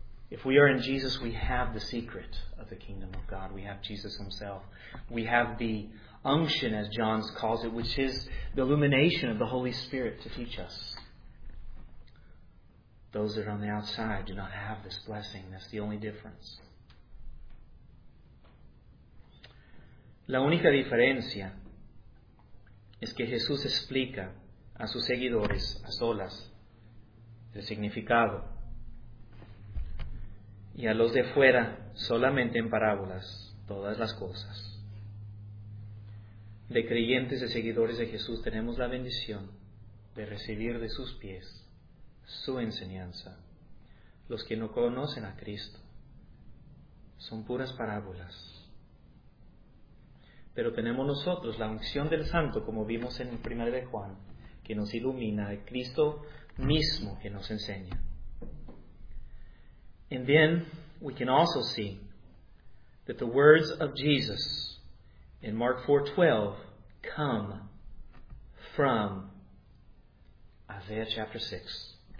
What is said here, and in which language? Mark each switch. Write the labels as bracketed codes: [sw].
[en] If we are in Jesus, we have the secret of the kingdom of God. We have Jesus himself. We have the unction, as John calls it, which is the illumination of the Holy Spirit to teach us. Those that are on the outside do not have this blessing. That's the only difference. [es] La única diferencia es que Jesús explica a sus seguidores a solas el significado, y a los de fuera solamente en parábolas todas las cosas. De creyentes, de seguidores de Jesús, tenemos la bendición de recibir de sus pies su enseñanza. Los que no conocen a Cristo son puras parábolas. Pero tenemos nosotros la unción del Santo, como vimos en el 1 de Juan, que nos ilumina, el Cristo mismo que nos enseña. [en] And then we can also see that the words of Jesus in Mark 4:12 come from Isaiah chapter 6.